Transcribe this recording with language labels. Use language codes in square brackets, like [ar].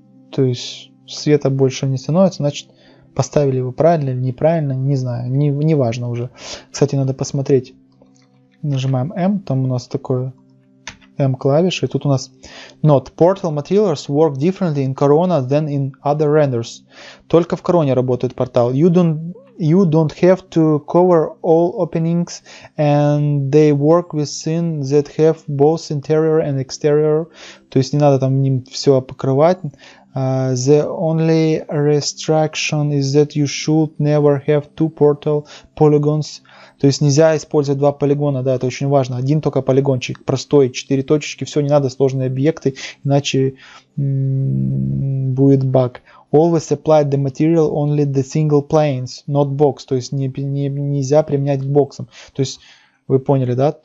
[ru] То есть света больше не становится, значит, поставили его правильно или неправильно, не знаю, не важно уже. Кстати, надо посмотреть. Нажимаем M, там у нас такое M клавиша, и тут у нас Note. [en] Portal materials work differently in Corona than in other renders. [ru] Только в Corona работает портал. [en] You don't have to cover all openings, and they work with scenes that have both interior and exterior. [ru] То есть не надо там ним все покрывать. [en] The only restriction is that you should never have two portal polygons. [ru] То есть нельзя использовать два полигона, да, это очень важно. Один только полигончик, простой, четыре точечки, все, не надо сложные объекты, иначе будет баг. [en] Always apply the material only the single planes, not box. [ru] То есть нельзя применять к боксам. То есть Вы поняли, да?